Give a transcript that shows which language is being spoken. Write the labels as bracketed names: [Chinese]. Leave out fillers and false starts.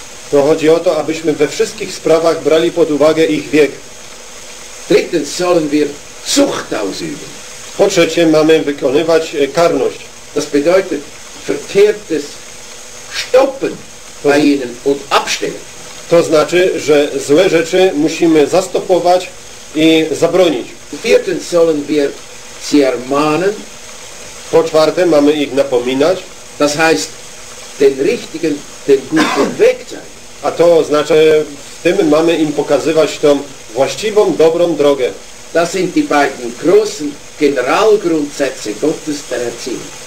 [Polish] To chodzi o to, abyśmy we wszystkich sprawach brali pod uwagę ich wiek. [German] Drittens sollen wir Zucht ausüben. [Polish] Po trzecie, mamy wykonywać karność. [German] Das bedeutet verkehrtes stoppen bei ihnen und abstellen. [Polish] To znaczy, że złe rzeczy musimy zastopować i zabronić. [German] Viertens sollen wir sie ermahnen. [Polish] Po czwarte, mamy ich napominać. [German] Das heißt, den richtigen, den guten Weg zeigen. [Polish] A to znaczy, w tym mamy im pokazywać tą właściwą, dobrą drogę. [German] Das sind die beiden großen Generalgrundsätze Gottes der Erziehung.